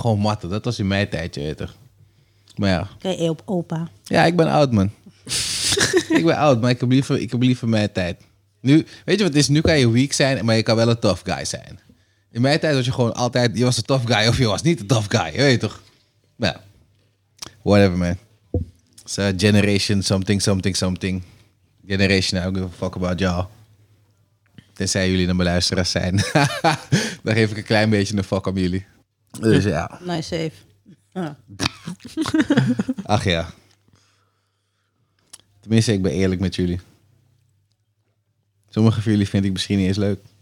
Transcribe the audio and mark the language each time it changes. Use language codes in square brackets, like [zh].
[nl] Gewoon matten, dat was in mijn tijd, je weet toch. Maar ja. Kijk je op opa. Ja, ik ben oud, man. Ik ben oud, maar ik heb liever mijn tijd. Nu, weet je wat het is? Nu kan je weak zijn, maar je kan wel een tough guy zijn. In mijn tijd was je gewoon altijd... Je was een tough guy of je was niet een tough guy. Weet je toch? [en] Maar ja. Whatever, man. It's a generation, something. Generation, I don't give a fuck about y'all. [nl] Tenzij jullie naar mijn luisteraars zijn. Dan geef ik een klein beetje een fuck aan jullie. Dus ja. [en] Nice save. [nl] Ja. Ach ja. Tenminste, ik ben eerlijk met jullie. Sommige van jullie vind ik misschien niet eens leuk.